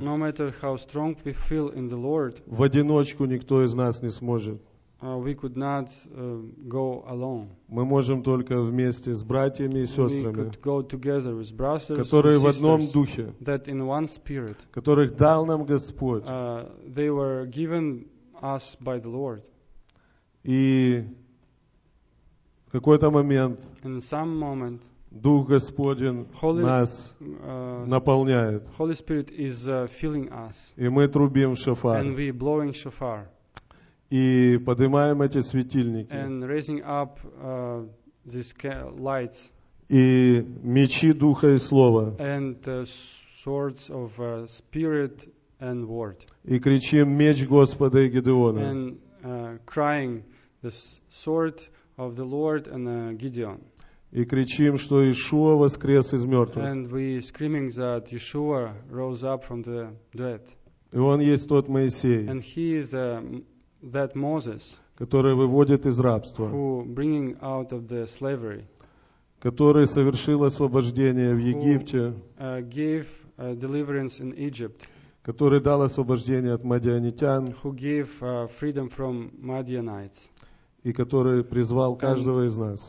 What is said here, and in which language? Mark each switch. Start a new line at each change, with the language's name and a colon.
English: no matter how strong we feel in the Lord,
Russian: в одиночку никто из нас не сможет.
English: We could not go alone.
Russian: Мы можем только вместе с братьями и сестрами,
English: we could go together with brothers,
Russian: которые
English: sisters,
Russian: в одном духе,
English: that in one spirit,
Russian: которых дал нам Господь.
English: They were given us by the Lord.
Russian: И в какой-то момент,
English: in some moment,
Russian: Дух Господень нас наполняет.
English: Holy Spirit is filling us.
Russian: И мы трубим шофар.
English: And we blowing shofar.
Russian: И поднимаем эти светильники.
English: And raising up, these lights.
Russian: И мечи Духа и Слова.
English: And, swords of, spirit and word.
Russian: И кричим меч Господа и Гедеона.
English: And, crying the sword of the Lord and, Gideon.
Russian: И кричим, что Иешуа воскрес из мертвых.
English: And we screaming that Yeshua rose up from the dead.
Russian: И он есть тот Моисей.
English: And he is a that Moses,
Russian: который выводит из рабства,
English: who bringing out of the slavery,
Russian: который совершил освобождение в Египте,
English: who, gave deliverance in Egypt,
Russian: который дал освобождение от мадианитян,
English: who gave freedom from Midianites,
Russian: и который призвал каждого из нас,